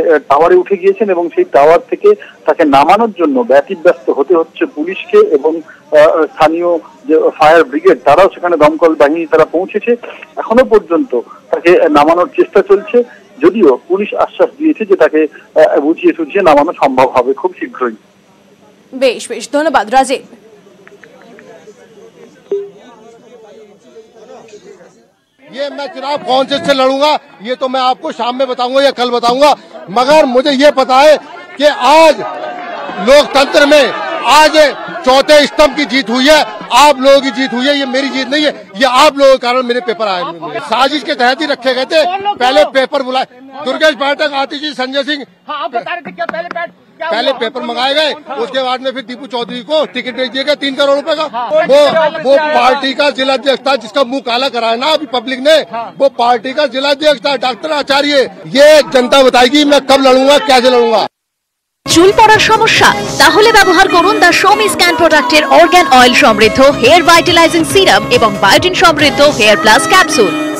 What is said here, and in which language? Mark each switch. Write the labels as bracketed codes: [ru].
[bn] টাওয়ারে উঠে গিয়েছেন, এবং সেই টাওয়ার থেকে তাকে নামানোর জন্য ব্যতিব্যস্ত হতে হচ্ছে পুলিশকে, এবং স্থানীয় যে ফায়ার ব্রিগেড তারাও সেখানে, দমকল বাহিনী তারা পৌঁছেছে, এখনো পর্যন্ত তাকে নামানোর চেষ্টা চলছে, যদিও পুলিশ আশ্বাস দিয়েছে যে তাকে বুঝিয়ে সুঝিয়ে নামানো সম্ভব হবে খুব শীঘ্রই। বেশ বেশ, ধন্যবাদ রাজীব। [hi] ये मैं चुनाव कौन से लड़ूंगा ये तो मैं आपको शाम में बताऊंगा या कल बताऊंगा, मगर मुझे ये पता है कि आज लोकतंत्र में आज चौथे स्तंभ की जीत हुई है, आप लोगों की जीत हुई है, ये मेरी जीत नहीं है, ये आप लोगों के कारण मेरे पेपर आए। साजिश के तहत ही रखे गए थे, पहले पेपर बुलाए दुर्गेश पाठक, आतिश जी, संजय सिंह, पहले पेपर मंगाए गए, उसके बाद में फिर दीपू चौधरी को टिकट दे दिया गया 3 करोड़ रुपए का। वो पार्टी का जिलाध्यक्ष था जिसका मुंह काला कराया ना अभी पब्लिक ने, वो पार्टी का जिलाध्यक्ष था डॉक्टर आचार्य। ये जनता बताएगी मैं कब लड़ूंगा, कैसे लड़ूंगा। [bn] চুল পড়ার সমস্যা? তাহলে ব্যবহার করুন দা সোমি স্ক্যান প্রোডাক্টের অর্গ্যান অয়েল সমৃদ্ধ হেয়ার ভাইটালাইজিং সিরাম এবং বায়োটিন সমৃদ্ধ হেয়ার প্লাস ক্যাপসুল।